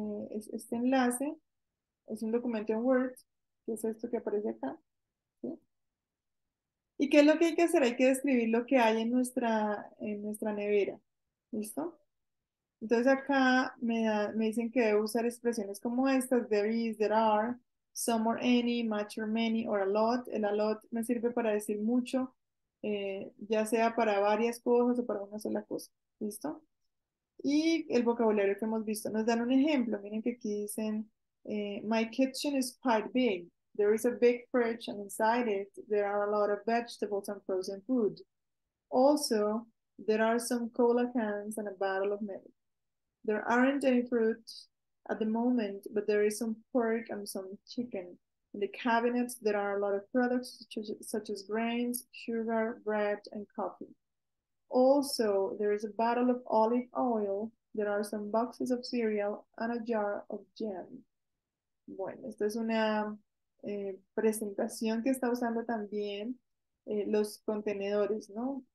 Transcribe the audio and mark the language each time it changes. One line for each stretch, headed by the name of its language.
Spanish: Es este enlace es un documento en Word, que es esto que aparece acá. ¿Sí? ¿Y qué es lo que hay que hacer? Hay que describir lo que hay en nuestra nevera. ¿Listo? Entonces acá me dicen que debo usar expresiones como estas.
English: There is, there are, some or any, much or many, or a lot.
Spanish: El a lot me sirve para decir mucho. Ya sea para varias cosas o para una sola cosa, ¿listo?
English: Y el vocabulario que hemos visto, nos dan un ejemplo, miren que aquí dicen, my kitchen is quite big, there is a big fridge and inside it there are a lot of vegetables and frozen food. Also, there are some cola cans and a bottle of milk. There aren't any fruit at the moment, but there is some pork and some chicken. In the cabinet, there are a lot of products such as grains, sugar, bread, and coffee. Also, there is a bottle of olive oil, there are some boxes of cereal, and a jar of jam.
Spanish: Bueno, esta es una presentación que está usando también los contenedores, ¿no?